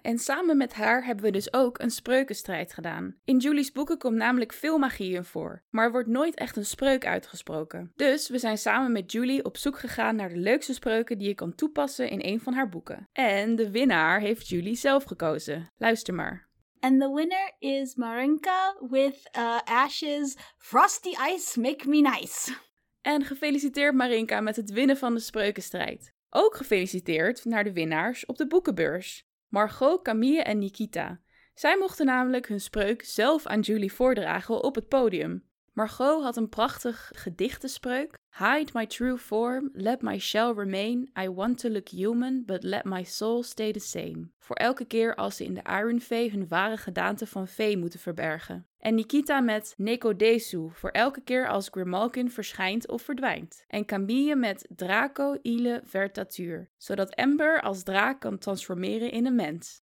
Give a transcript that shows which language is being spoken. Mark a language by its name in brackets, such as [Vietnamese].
[Dutch] En samen met haar hebben we dus ook een spreukenstrijd gedaan. In Julie's boeken komt namelijk veel magie in voor, maar er wordt nooit echt een spreuk uitgesproken. Dus we zijn samen met Julie op zoek gegaan naar de leukste spreuken die je kan toepassen in een van haar boeken. En de winnaar heeft Julie zelf gekozen. Luister maar. [English] And the winner is Marinka with Ash's Frosty Ice Make Me Nice. [Dutch] En gefeliciteerd Marinka met het winnen van de spreukenstrijd. Ook gefeliciteerd naar de winnaars op de boekenbeurs, Margot, Camille en Nikita. Zij mochten namelijk hun spreuk zelf aan Julie voordragen op het podium. Margot had een prachtig gedichtenspreuk. [English] Hide my true form, let my shell remain, I want to look human, but let my soul stay the same. [Dutch] Voor elke keer als ze in de Iron Fae hun ware gedaante van vee moeten verbergen. En Nikita met Nekodesu, voor elke keer als Grimalkin verschijnt of verdwijnt. En Camille met Draco ile vertatuur, zodat Ember als draak kan transformeren in een mens.